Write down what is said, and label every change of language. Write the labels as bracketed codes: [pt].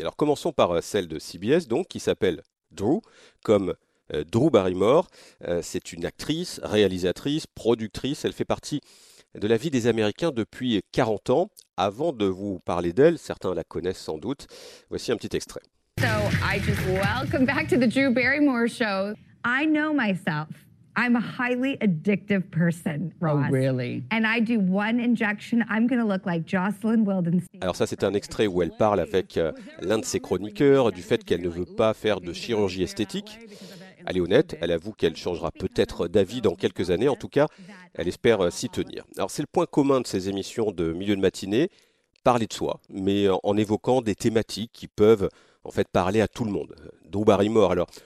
[fr] Alors commençons par celle de CBS, donc qui s'appelle Drew, comme Drew Barrymore. C'est une actrice, réalisatrice, productrice. Elle fait partie de la vie des Américains depuis 40 ans. Avant de vous parler d'elle, certains la connaissent sans doute. Voici un petit extrait. [en] So, I just welcome back to the Drew Barrymore show. I know myself. I'm a highly addictive person, Oh, Ross. really? And I do one injection, I'm gonna look like Jocelyn Wildenstein. [fr] Alors ça, c'est un extrait où elle parle avec [en] forever. [fr] l'un de ses chroniqueurs du fait qu'elle ne veut pas faire de chirurgie esthétique. Elle est honnête, elle avoue qu'elle changera peut-être d'avis dans quelques années. En tout cas, elle espère s'y tenir. Alors c'est le point commun de ces émissions de milieu de matinée, parler de soi, mais en évoquant des thématiques qui peuvent en fait parler à tout le monde. Drew Barrymore, alors.